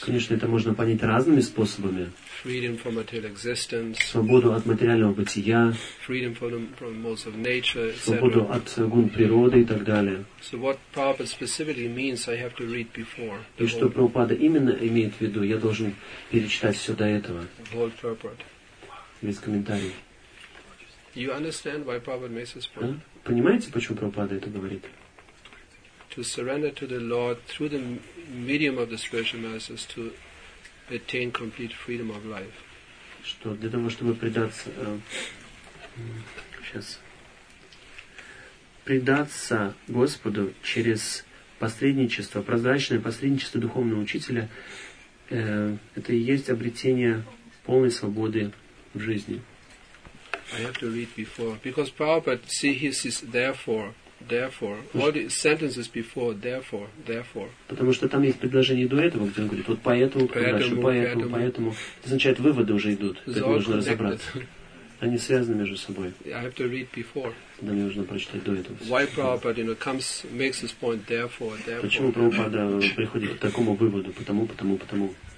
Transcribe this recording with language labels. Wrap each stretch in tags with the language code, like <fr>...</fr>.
<ru>Конечно, это можно понять разными способами.</ru> <en>Freedom from material existence.</en> <ru>Свободу от материального бытия.</ru> <en>Freedom from modes of nature.</en> <ru>Свободу от гун природы и так далее.</ru> <en>So what Prabhupada specifically means, I have to read before.</en> <ru>И что Прабхупада именно имеет в виду, я должен перечитать все до этого.</ru> <en>Whole purport.</en> <ru>Весь комментарий.</ru> <en>You understand why Prabhupada makes this point?</en> <ru>Понимаете, почему Прабхупада это говорит?</ru> <en>To surrender to the Lord through the medium of the spiritual masters to attain complete freedom of life.</en> <ru>Что для того, чтобы предаться, предаться Господу через посредничество, прозрачное посредничество духовного учителя, это и есть обретение полной свободы в жизни.</ru> <en>I have to read before, because Prabhupada, see, he says therefore, all the sentences before, therefore.</en> <ru>Потому что там есть предложение до этого, где он говорит, вот поэтому, дальше, поэтому, поэтому. Это означает, выводы уже идут, это нужно разобраться. Они связаны между собой.</ru> <en>I have to read before.</en> <ru>Да, мне нужно прочитать до этого.</ru> <en>Why Prabhupada, you know, comes, makes this point, therefore.</en> <ru>Почему Прабхупада приходит к такому выводу, потому?</ru>